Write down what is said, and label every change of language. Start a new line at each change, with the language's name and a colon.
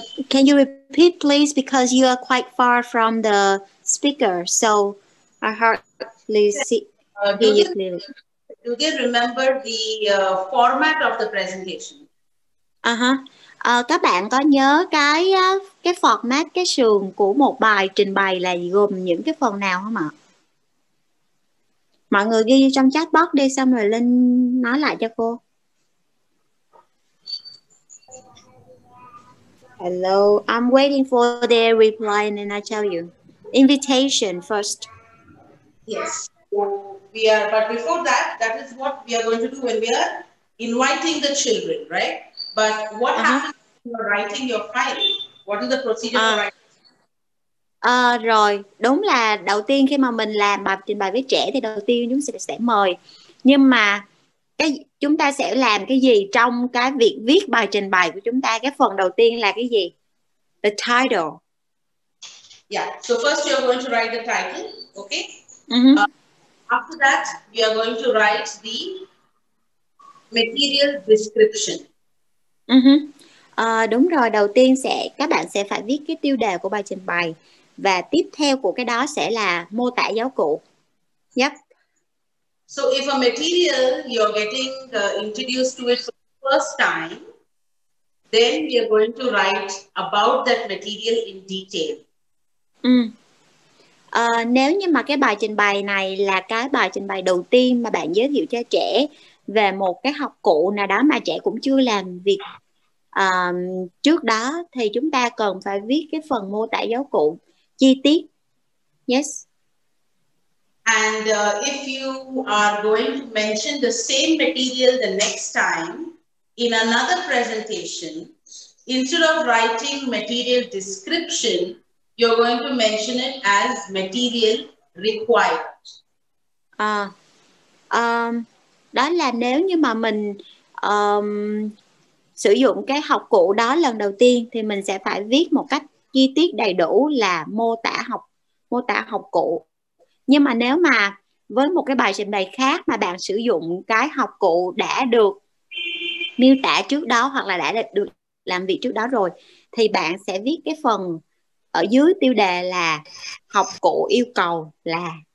English: Can you repeat, please, because you are quite far from the speaker, so I hardly see hear you clearly. Do they remember the format of the presentation?
Vietnamese: Các bạn có nhớ cái format, cái sườn của một bài trình bày là gồm những cái phần nào không ạ? Mọi người ghi trong chat box đi, xong rồi Linh nói lại cho cô.
English: Hello, I'm waiting for their reply and then I tell you. Invitation first. Yes. But before that is what we are going to do when we are inviting the children, right? But what happens when you're writing your file? What is the procedure for writing?
Vietnamese: Rồi, đúng là đầu tiên khi mà mình làm bài trình bày với trẻ thì đầu tiên chúng sẽ mời. Nhưng mà chúng ta sẽ làm cái gì trong cái việc viết bài trình bày của chúng ta? Cái phần đầu tiên là cái gì?
English: The title. Yeah, so first you are going to write the title, okay? After that, we are going to write the material description.
Vietnamese: Đúng rồi, đầu tiên sẽ các bạn sẽ phải viết cái tiêu đề của bài trình bày. Và tiếp theo của cái đó sẽ là mô tả giáo cụ.
English: Yep. So if a material you're getting introduced to it for the first time, then we are going to write about that material in detail.
Vietnamese: Nếu như mà cái bài trình bày này là cái bài trình bày đầu tiên mà bạn giới thiệu cho trẻ về một cái học cụ nào đó mà trẻ cũng chưa làm việc trước đó, thì chúng ta cần phải viết cái phần mô tả giáo cụ chi tiết.
English: Yes. And if you are going to mention the same material the next time in another presentation, instead of writing material description, you're going to mention it as material required.
Vietnamese: Đó là nếu như mà mình sử dụng cái học cụ đó lần đầu tiên thì mình sẽ phải viết một cách chi tiết đầy đủ là mô tả học cụ. Nhưng mà nếu mà với một cái bài trình bày khác mà bạn sử dụng cái học cụ đã được miêu tả trước đó hoặc là đã được làm việc trước đó rồi, thì bạn sẽ viết cái phần ở dưới tiêu đề là học cụ yêu cầu là.